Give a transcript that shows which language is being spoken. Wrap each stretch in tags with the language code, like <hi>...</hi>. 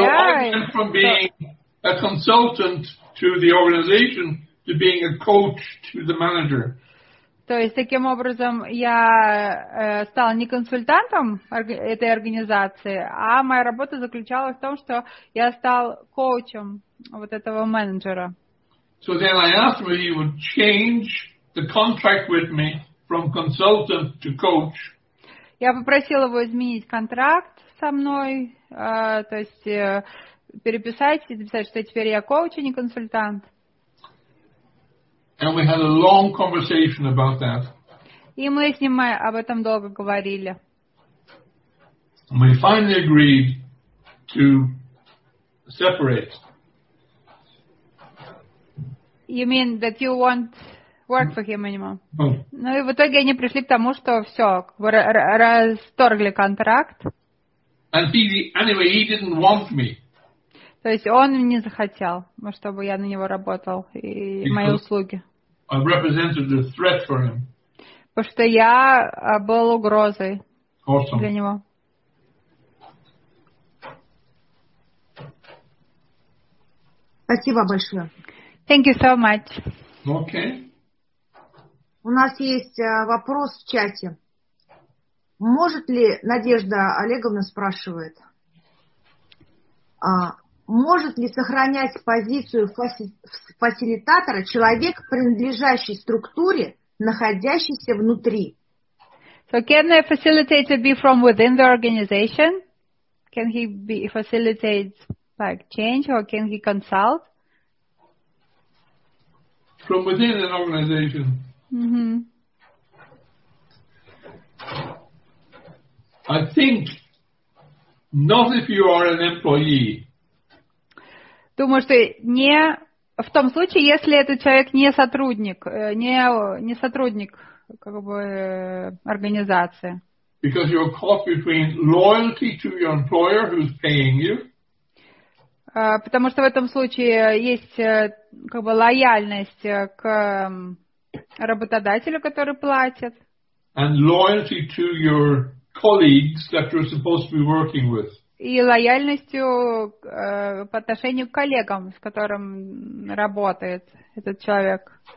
<en>So I went from being a consultant to the organization to being a coach to the manager.</en> <ru>То есть, таким образом, я стал не консультантом этой организации, а моя работа заключалась в том, что я стал коучем вот этого менеджера.</ru> <en>So then I asked him if he would change the contract with me from consultant to coach.</en> <ru>Я попросил его изменить контракт со мной, то есть переписать, что теперь я коуч, а не консультант.</ru> <en>And we had a long conversation about that.</en> <ru>И мы с ним об этом долго говорили.</ru> <en>And we finally agreed to separate. You mean that you won't work for him anymore? No.</en> <ru>Ну и в итоге они пришли к тому, что все, расторгли контракт.</ru> <en>And he didn't want me.</en> <ru>То есть он не захотел, чтобы я на него работал и мои услуги.</ru> <en>I represented a threat for him.</en> <ru>Потому что я был угрозой</ru> <en>awesome.</en> <ru>Для него. Спасибо большое.</ru> <en>Thank you so much. Okay.</en> <ru>У нас есть вопрос в чате. Может ли, Надежда Олеговна спрашивает, может ли сохранять позицию фасилитатора человек, принадлежащий структуре, находящийся внутри?</ru> <en>So can a facilitator be from within the organization? Can he be facilitate like change or can he consult? From within an organization. Mm-hmm. I think Not if you are an employee.</en> <ru>Думаю, что не в том случае, если этот человек не сотрудник, не сотрудник как бы организации.</ru> <en>Because you're caught between loyalty to your employer who's paying you.</en> <ru>Потому что в этом случае есть как бы лояльность к работодателю, который платит.</ru> <en>And loyalty to your colleagues that you're supposed to be working with.</en> <ru>И лояльностью по отношению к коллегам, с которым работает этот человек.</ru>